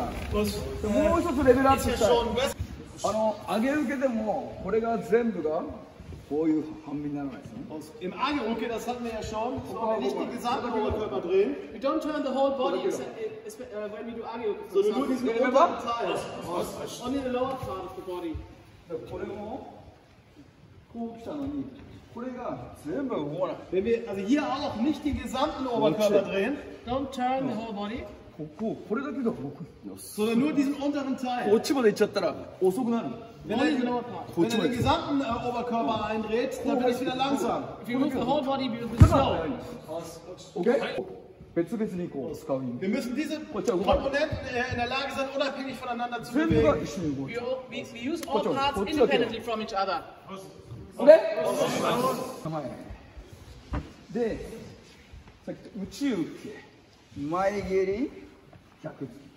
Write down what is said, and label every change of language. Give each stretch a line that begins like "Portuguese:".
Japanese: もう一つレベルアップした。あの上げ受けでもこれが全部がこういう半身にならないですね。
German: Im Angelrücke, das hatten wir ja schon. So, wenn ich die gesamte Oberkörper drehe.
English: We don't turn the whole body, when we do Angelrücke.
German: So, wir nur diesen unteren Teil.
English: Only the lower part of the body.
Japanese: これもこう来たのに、これが全部動かない。
German: Wenn wir also hier auch nicht den gesamten Oberkörper drehen.
English: Don't turn the whole body.
Japanese: ここ、これだけが動く。
German: So, nur diesen unteren Teil.
Japanese: こっちまで行っちゃったら遅くなる。
German: Wenn er den gesamten Oberkörper eindreht, dann bin ich wieder langsam.
English: If you move the whole body, you will be slow.
Japanese: Okay. 別々にこう使う意味。
German: Wir müssen diese Komponenten in der Lage sein, unabhängig voneinander zu bewegen.
Japanese: 全部が一緒に動く。
English: We use all parts independently from each other. Okay? Okay.
Japanese: で、さっき打ち受け、前蹴り、逆突き。